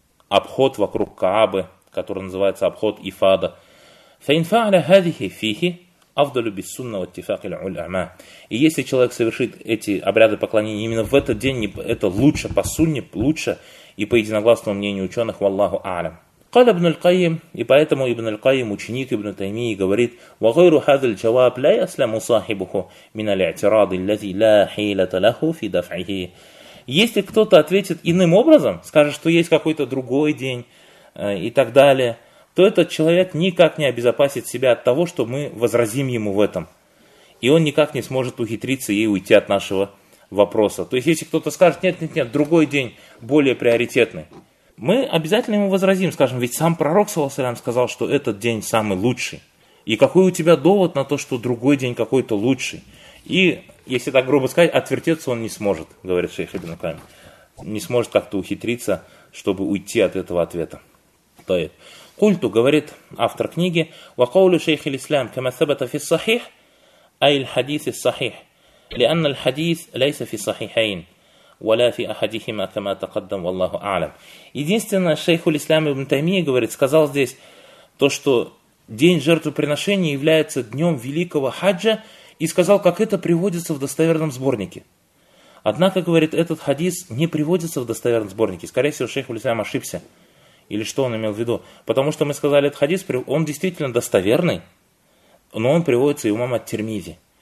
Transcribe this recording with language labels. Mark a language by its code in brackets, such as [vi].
[ru] Обход вокруг Каабы, который называется обход ифада. [ar] Фаинфа'ля хадихи фихи авдалю биссунна ваттифакил уль-ама. [ru] И если человек совершит эти обряды поклонения именно в этот день, это лучше по сунне, лучше и по единогласному мнению ученых, [ar] валлаху а'лям. Каля ибн аль-Кайим, [ru] и поэтому ибн аль-Кайим, ученик ибн Таймии, говорит, [ar] وَغَيْرُ هَذَا الْجَوَابْ لَا يَسْلَمُ صَاحِبُهُ مِنَ الْاِعْتِرَادِ الَّذِي لَا حِيلَةَ لَهُ فِي دَفْعِهِ. [ru] Если кто-то ответит иным образом, скажет, что есть какой-то другой день и так далее, то этот человек никак не обезопасит себя от того, что мы возразим ему в этом. И он никак не сможет ухитриться и уйти от нашего вопроса. То есть, если кто-то скажет, нет, другой день более приоритетный, мы обязательно ему возразим, скажем, ведь сам пророк, саллаллаху алейхи вассалям, сказал, что этот день самый лучший. И какой у тебя довод на то, что другой день какой-то лучший? И, если так грубо сказать, отвертеться он не сможет, говорит шейх ибн Каим. Не сможет как-то ухитриться, чтобы уйти от этого ответа. Тает. [ar] Культу, [ru] говорит автор книги, [ar] وَقَوْلُ شَيْخِ الْإِسْلَامِ كَمَا ثَبَتَ فِي الصَّحِيحِ أَيْ الْحَدِيثِ الصَّحِيحِ لِأَنَّ الْحَدِيثِ لَيْسَ فِي الصَّحِيحَيْنِ. ولا في أحدهما كما تقدم والله أعلم. [ru] Единственное, шейх ислам ибн Таймия говорит, сказал здесь то, что день жертвоприношения является днем великого хаджа, и сказал, как это приводится в достоверном сборнике. Однако, говорит, этот хадис не приводится в достоверном сборнике. Скорее всего, шейх ислам ошибся. Или что он имел в виду? Потому что мы сказали, этот хадис, он действительно достоверный, но он приводится и у имама ат-Тирмизи.